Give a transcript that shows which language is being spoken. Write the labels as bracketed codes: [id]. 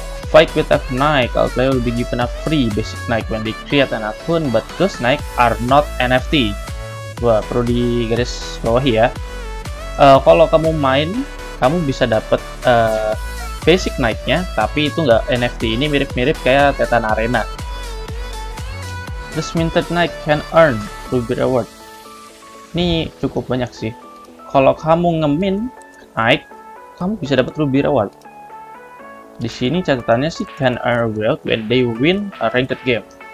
[en] Fight with F Nike, all players will be given a free basic Nike when they create an account, but those Nike are not NFT. [id] Wah, perlu di garis bawah ya. Kalau kamu main, kamu bisa dapat basic Nike-nya, tapi itu nggak NFT. Ini mirip-mirip kayak Titan Arena. [en] This minted Nike can earn Ruby reward. [id] Ini cukup banyak sih. Kalau kamu ngemin Nike, kamu bisa dapat Ruby reward. Di sini catatannya sih [en] can earn reward when they win a ranked game.